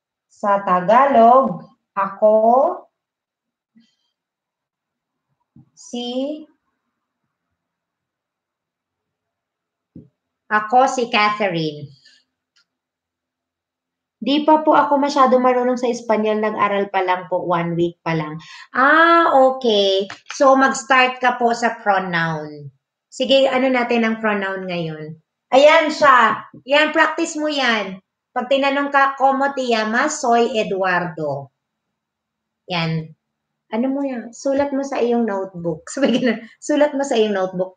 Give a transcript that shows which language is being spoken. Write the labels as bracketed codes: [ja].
[tl] Sa Tagalog, ako si Catherine. Di pa po ako masyado marunong sa Espanyol. Nag-aral pa lang po. 1 week pa lang. Ah, okay. So, mag-start ka po sa pronoun. Sige, ano natin ang pronoun ngayon? Ayan siya. Yan, practice mo yan. Pag tinanong ka, [es] como te llamas, soy Eduardo. [tl] Yan. Ano mo yan? Sulat mo sa iyong notebook. Sulat mo sa iyong notebook.